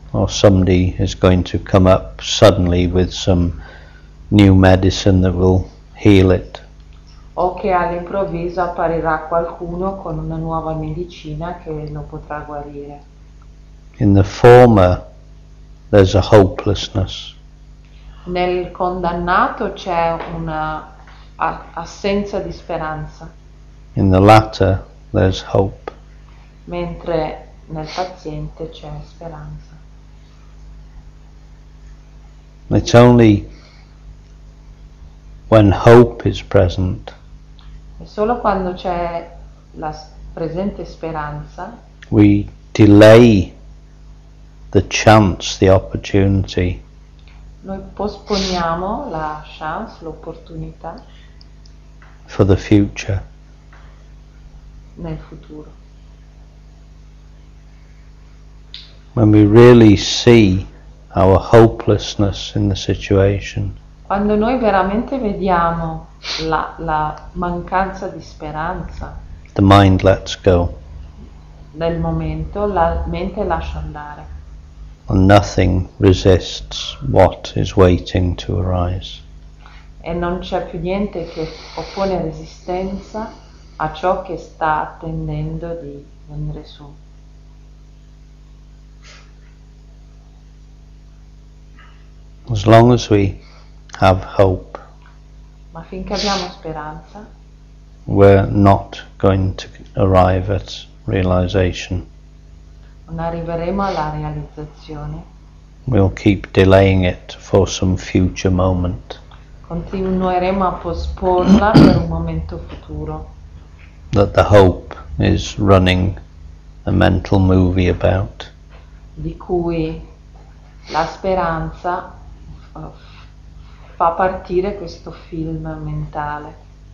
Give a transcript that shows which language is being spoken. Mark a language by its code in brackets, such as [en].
[en] Or somebody is going to come up suddenly with some new medicine that will heal it. [it] O che all'improvviso apparirà qualcuno con una nuova medicina che lo potrà guarire. [en] In the former there's a hopelessness. [it] Nel condannato c'è una assenza di speranza. [en] In the latter there's hope. [it] Mentre nel paziente c'è speranza. [en] It's only when hope is present. [it] E solo quando c'è la presente speranza. [en] We delay the chance, the opportunity. [it] Noi posponiamo la chance, l'opportunità. [en] For the future. [it] Nel futuro. [en] When we really see our hopelessness in the situation. [it] Quando noi veramente vediamo la mancanza di speranza. [en] The mind lets go. [it] Nel momento la mente lascia andare. [en] And nothing resists what is waiting to arise. [it] E non c'è più niente che oppone resistenza a ciò che sta attendendo di venire su. [en] As long as we have hope, [it] ma finché abbiamo speranza, [en] we're not going to arrive at realization. [it] Non arriveremo alla realizzazione. [en] We'll keep delaying it for some future moment. [it] Continueremo a posporla per un momento futuro. [en] That the hope is running a mental movie about. [it] Di cui la speranza fa partire questo film mentale.